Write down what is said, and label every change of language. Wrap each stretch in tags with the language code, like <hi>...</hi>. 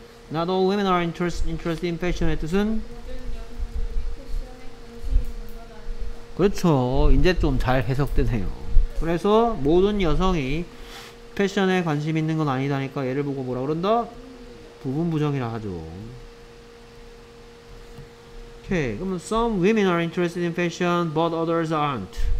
<en>Not all women are interested in fashion의</en> <ko>뜻은? 그렇죠. 이제 좀 잘 해석되네요. 그래서 모든 여성이 패션에 관심 있는 건 아니다니까 얘를 보고 뭐라 그런다? 부분부정이라 하죠. 오케이. 그럼</ko> <en>some women are interested in fashion but others aren't.</en>